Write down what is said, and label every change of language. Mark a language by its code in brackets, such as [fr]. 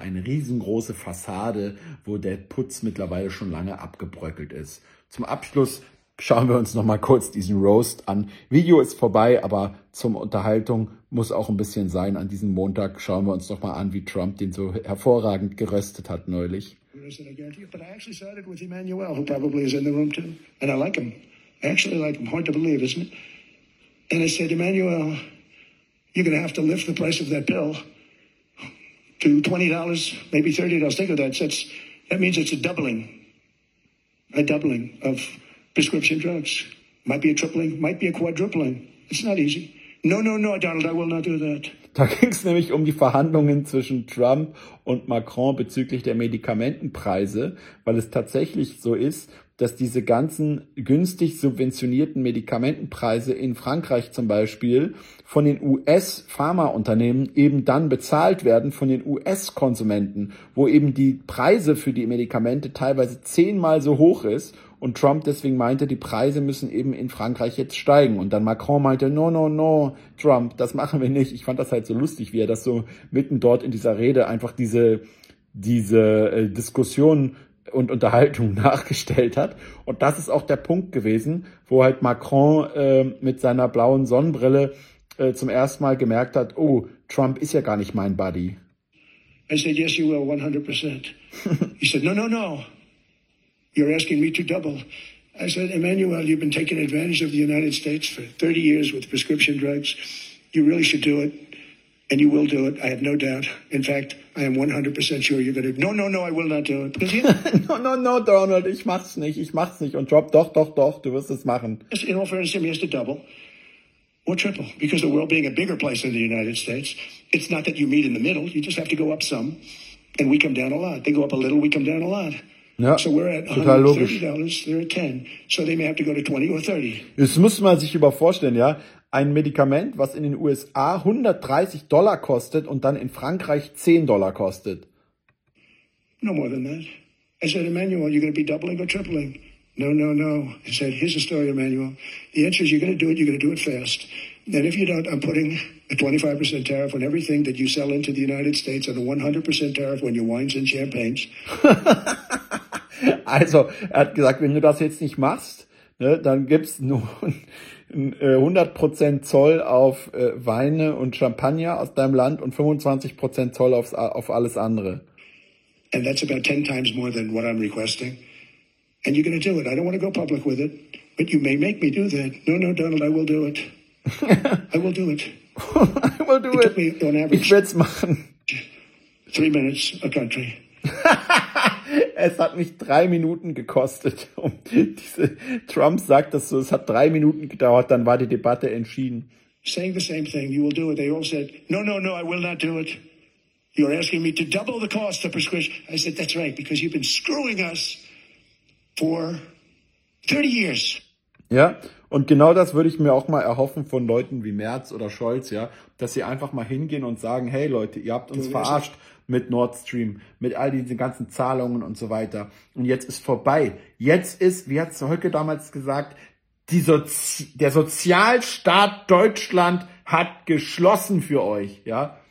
[de] Eine riesengroße Fassade, wo der Putz mittlerweile schon lange abgebröckelt ist. Zum Abschluss schauen wir uns noch mal kurz diesen Roast an. Video ist vorbei, aber zum Unterhaltung muss auch ein bisschen sein. An diesem Montag schauen wir uns noch mal an, wie Trump den so hervorragend geröstet hat neulich. [en] But I actually sided with Emmanuel, who probably is in the room too. And I like him. I actually like him. Hard to believe, isn't it? And I said, Emmanuel, you're going to have to lift the price of that pill to $20, maybe $30. Think of that. That means it's a doubling of prescription drugs. Might be a tripling, might be a quadrupling. It's not easy. No, Donald, I will not do that. [de] Da ging es nämlich um die Verhandlungen zwischen Trump und Macron bezüglich der Medikamentenpreise, weil es tatsächlich so ist, dass diese ganzen günstig subventionierten Medikamentenpreise in Frankreich zum Beispiel von den US-Pharmaunternehmen eben dann bezahlt werden von den US-Konsumenten, wo eben die Preise für die Medikamente teilweise 10-mal so hoch ist. Und Trump deswegen meinte, die Preise müssen eben in Frankreich jetzt steigen. Und dann Macron meinte, [en] no, Trump, [de] das machen wir nicht. Ich fand das halt so lustig, wie er das so mitten dort in dieser Rede einfach diese Diskussion und Unterhaltung nachgestellt hat. Und das ist auch der Punkt gewesen, wo halt Macron mit seiner blauen Sonnenbrille zum ersten Mal gemerkt hat, oh, Trump ist ja gar nicht mein Buddy. [en] I said, yes, you will, 100%. He said, no. You're asking me to double. I said, Emmanuel, you've been taking advantage of the United States for 30 years with prescription drugs. You really should do it, and you will do it. I have no doubt. In fact, I am 100% sure you're going to... No, I will not do it. No, Donald, [de] ich mach's nicht. Ich mach's nicht. Und Trump, doch, du wirst es machen. [en] In all fairness, he has to double or triple, because the world being a bigger place than the United States, it's not that you meet in the middle. You just have to go up some, and we come down a lot. They go up a little, we come down a lot. Ja, so we're at $130, they're at $10, so they may have to go to $20 or $30. [de] Das muss man sich überhaupt vorstellen, ja. ein Medikament, was in den USA $130 kostet und dann in Frankreich $10 kostet. [en] No more than that. I said, Emmanuel, you're going to be doubling or tripling. No, no, no. I said, here's the story, Emmanuel. The answer is you're going to do it, you're going to do it fast. And if you don't, I'm putting a 25% tariff on everything that you sell into the United States and a 100% tariff on your wines and champagnes. [de] Also, er hat gesagt, wenn du das jetzt nicht machst, ne, dann gibt's nur 100% Zoll auf Weine und Champagner aus deinem Land und 25% Zoll auf alles andere. [en] And that's about 10 times more than what I'm requesting. And you're going to do it. I don't want to go public with it, but you may make me do that. No, no, Donald, I will do it. I will do it. I will do it. It took me, on average, [de] ich werd's machen. [en] 3 minutes a country. [de] Es hat mich 3 Minuten gekostet. Trump sagt das so, es hat 3 Minuten gedauert, dann war die Debatte entschieden. [en] Saying the same thing, you will do it. They all said, no, no, no, I will not do it. You're asking me to double the cost of prescription. I said, that's right, because you've been screwing us for 30 years. [de] Ja, und genau das würde ich mir auch mal erhoffen von Leuten wie Merz oder Scholz, ja, dass sie einfach mal hingehen und sagen, hey Leute, ihr habt uns verarscht mit Nord Stream, mit all diesen ganzen Zahlungen und so weiter. Und jetzt ist vorbei. Jetzt ist, wie hat Höcke damals gesagt, der Sozialstaat Deutschland hat geschlossen für euch, ja.